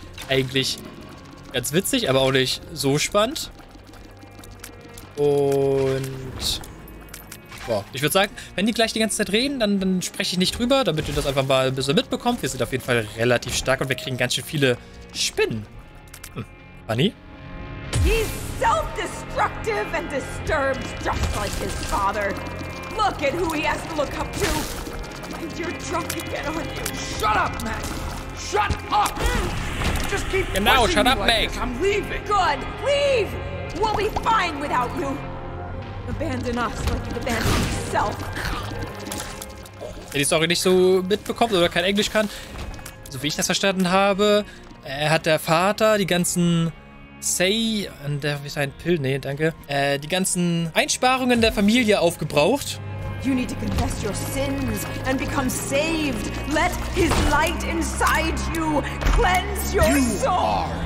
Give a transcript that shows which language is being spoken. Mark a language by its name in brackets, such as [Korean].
[German] Eigentlich ganz witzig, aber auch nicht so spannend. Und... Boah, ich würde sagen, wenn die gleich die ganze Zeit reden, dann spreche ich nicht drüber, damit ihr das einfach mal ein bisschen mitbekommt. Wir sind auf jeden Fall relativ stark und wir kriegen ganz schön viele Spinnen. [English] Funny. He's self-destructive and disturbed just like his father. Look at who he has to look up to. And you're drunk again, aren't you? Shut up, Mac. Shut up. Just keep pushing me like this. [German] Genau, [English] shut up, Mac. I'm leaving. Good, leave. We'll be fine without you. [German] Wenn die Story nicht so mitbekommt oder kein Englisch kann, so wie ich das verstanden habe, Hat der Vater die ganzen Say und der sein Pill, nee, danke. Die ganzen Einsparungen der Familie aufgebraucht. [English] You need to confess your sins and become saved. Let his light inside you cleanse your soul.